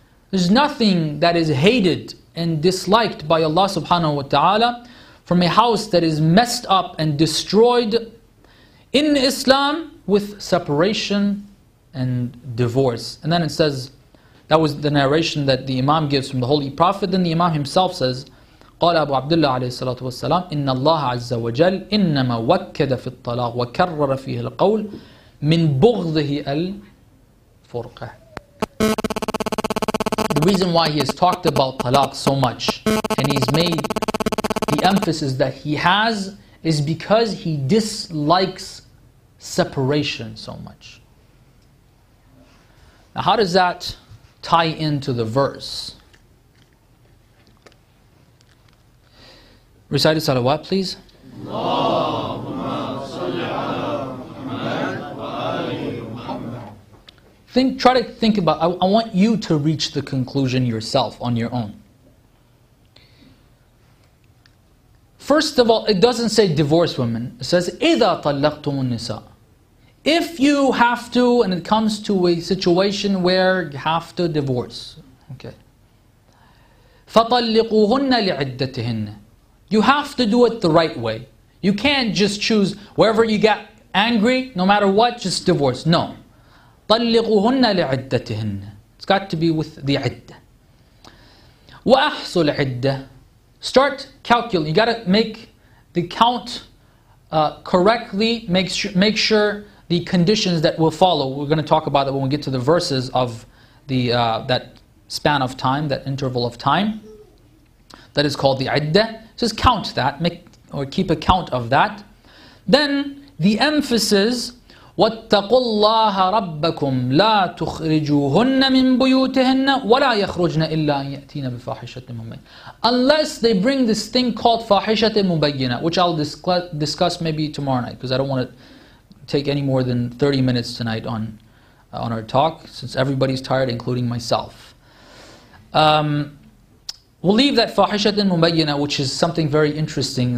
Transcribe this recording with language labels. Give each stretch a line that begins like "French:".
English: There's nothing that is hated and disliked by Allah subhanahu wa ta'ala from a house that is messed up and destroyed in Islam with separation and divorce. And then it says, that was the narration that the Imam gives from the Holy Prophet. Then the Imam himself says,
Arabic: قال أبو عبد الله عليه الصلاة والسلام إن الله عز وجل إنما وكد في الطلاق وكرر فيه القول من بغضه الفرقة.
English: reason why he has talked about talaq so much and he's made the emphasis that he has is because he dislikes separation so much. Now, how does that tie into the verse? Recite the salawat, please.
Arabic: Allahumma salli ala Muhammad wa ali Muhammad.
English: Try to think about, I want you to reach the conclusion yourself on your own. First of all, it doesn't say divorce women. It says,
Arabic: إِذَا طَلَّقْتُمُ النِّسَاءِ.
English: If you have to, and it comes to a situation where you have to divorce. Okay.
Arabic: فَطَلِّقُوهُنَّ لِعِدَّتِهِنَّ.
English: You have to do it the right way. You can't just choose, wherever you get angry, no matter what, just divorce. No.
Arabic: طَلِّقُوهُنَّ لِعِدَّتِهِنَّ.
English: It's got to be with the عِدَّة.
Arabic: وَأَحْصُ الْعِدَّة.
English: Start calculating. You got to make the count correctly. Make sure the conditions that will follow. We're going to talk about it when we get to the verses of the that span of time, that interval of time. That is called the عِدَّة. Just count that, keep account of that. Then the emphasis,
Arabic: وَاتَّقُوا اللَّهَ رَبَّكُمْ لَا تُخْرِجُوهُنَّ مِن بُيُوتِهِنَّ وَلَا يَخْرُجْنَ إِلَّا أَن يَأْتِينَ بِفَاحِشَةٍ مُبَيِّنَةٍ.
English: Unless they bring this thing called
Arabic: فَاحِشَةٍ مُبَيِّنَةٍ,
English: which I'll discuss maybe tomorrow night, because I don't want to take any more than 30 minutes tonight on our talk, since everybody's tired, including myself. We'll leave that fahishatin mubayyana, which is something very interesting.